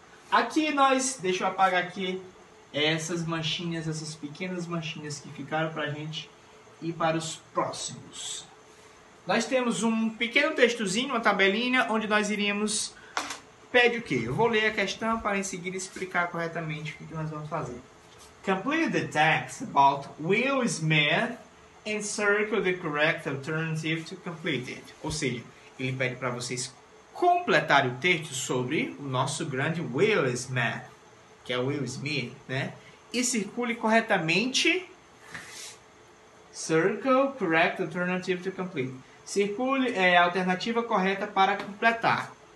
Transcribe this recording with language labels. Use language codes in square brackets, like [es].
[pt] Aqui nós, deixa eu apagar aqui essas manchinhas, essas pequenas manchinhas que ficaram para a gente e para os próximos. Nós temos um pequeno textozinho, uma tabelinha, onde nós iríamos... Pede o quê? Eu vou ler a questão para em seguida explicar corretamente o que nós vamos fazer. [en] Complete the text about Will Smith and circle the correct alternative to complete it. [pt] Ou seja, ele pede para vocês completar o texto sobre o nosso grande Will Smith, que é o Will Smith, né? E circule corretamente. [en] Circle correct alternative to complete. [pt] Circule é a alternativa correta para completar.